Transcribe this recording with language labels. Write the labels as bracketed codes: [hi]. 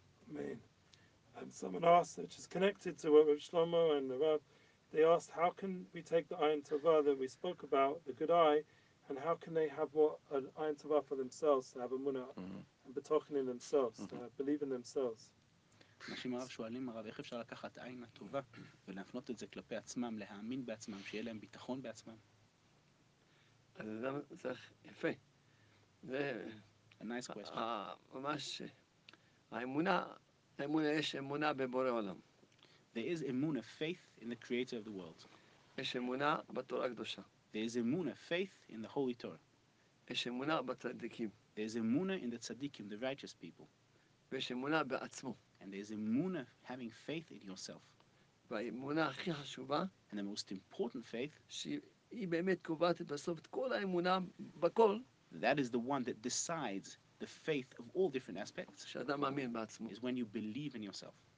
[en] Amen. And someone asked, which is connected to what Rav Shlomo and the Rav, they asked, how can we take the Ayin Tova that we spoke about, the good eye, and how can they have what an Ayin Tova for themselves, to have Emunah, mm-hmm. and betochen in themselves, mm-hmm. to believe in themselves? [he] אנשים הרב שואלים הרב, איך אפשר לקחת עין הטובה ולהפנות את זה כלפי עצמם, להאמין בעצמם, שיהיה להם ביטחון בעצמם? אז זה צריך יפה. [en] A nice question. [he] ממש, האמונה, יש אמונה בבורא עולם. [en] There is emunah, faith in the creator of the world. [he] יש אמונה בתורה הקדושה. [en] There is emunah, faith in the holy Torah. [he] יש אמונה בצדיקים. [en] There is emunah in the tzaddikim, the righteous people. [he] ויש אמונה בעצמו. [en] And there's emunah, having faith in yourself. And the most important faith, that is the one that decides the faith of all different aspects, is when you believe in yourself.